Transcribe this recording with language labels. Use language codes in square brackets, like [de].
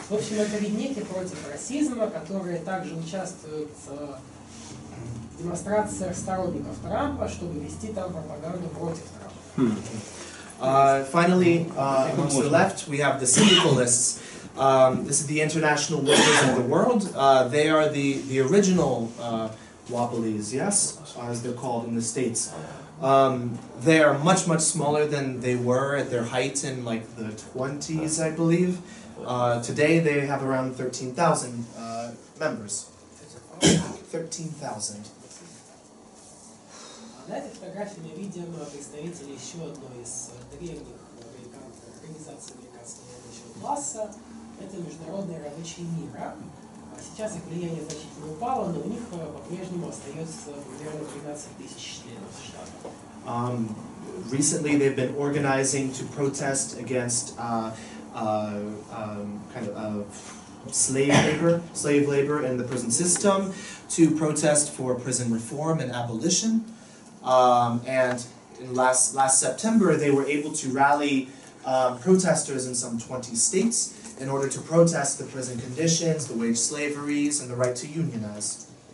[ru] В общем, это участвуют в демонстрациях сторонников Трампа, чтобы вести там пропаганду против Трампа. [en] Finally, on the left, we have the syndicalists. This is the International Workers of the World. They are the original Wobblies, yes, as they're called in the States. They are much, much smaller than they were at their height in like the 20s, I believe. Today they have around 13,000 members. 13,000. [ru] На этой фотографии мы видим представителей еще одной из древних организаций американского рабочего класса. Это международные рабочие мира. Сейчас их влияние значительно упало, но у них по-прежнему остается примерно 13 тысяч членов США. [en] Recently they've been organizing to protest against slave labor in the prison system, to protest for prison reform and abolition. And in last September, they were able to rally protesters in some 20 states in order to protest the prison conditions, the wage slaveries, and the right to unionize.